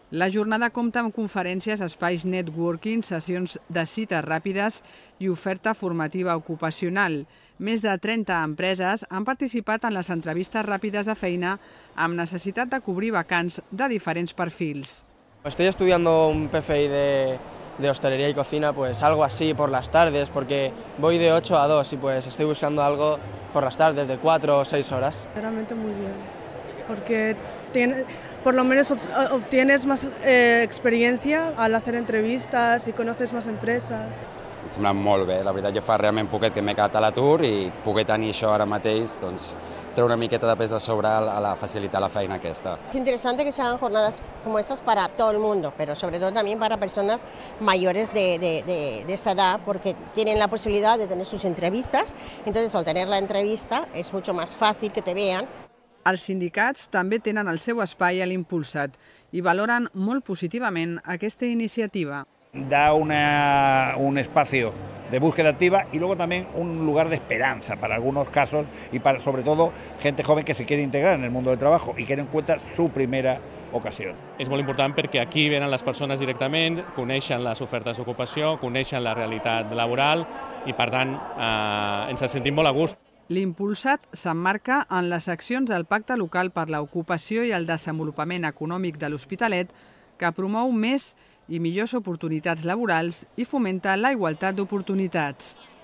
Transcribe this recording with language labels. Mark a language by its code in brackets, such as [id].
[ca] La jornada compta amb conferències, espais networking, sessions de cites ràpides i oferta formativa ocupacional. Més de 30 empreses han participat en les entrevistes ràpides de feina amb necessitat de cobrir vacants de diferents perfils. [es] Estoy estudiando un PFI de hostelería y cocina, pues algo así por las tardes, porque voy de 8 a 2 y pues estoy buscando algo por las tardes de 4 o 6 horas. Realmente muy bien, porque por lo menos obtienes más experiencia al hacer entrevistas y conoces más empresas. [ca] Em sembla molt bé, la veritat, jo fa realment poquet que m'he quedat a l'atur i poder tenir això ara mateix, doncs, treu una miqueta de pes de sobre a la facilitar la feina aquesta. [es] Es interesante que se hagan jornadas como estas para todo el mundo, pero sobre todo también para personas mayores de esa edad, porque tienen la posibilidad de tener sus entrevistas, entonces al tener la entrevista es mucho más fácil que te vean. [ca] Els sindicats també tenen el seu espai a l'Impulsat i valoren molt positivament aquesta iniciativa. [es] Da un espacio de búsqueda activa y luego también un lugar de esperanza para algunos casos y para, sobre todo, gente joven que se quiere integrar en el mundo del trabajo y que no encuentra su primera ocasión. [ca] És molt important perquè aquí venen les persones directament, coneixen les ofertes d'ocupació, coneixen la realitat laboral i, per tant, ens en sentim molt a gust. L'Impulsat s'emmarca en les accions del Pacte Local per l'Ocupació i el Desenvolupament Econòmic de l'Hospitalet, que promou més i millors oportunitats laborals i fomenta la igualtat d'oportunitats.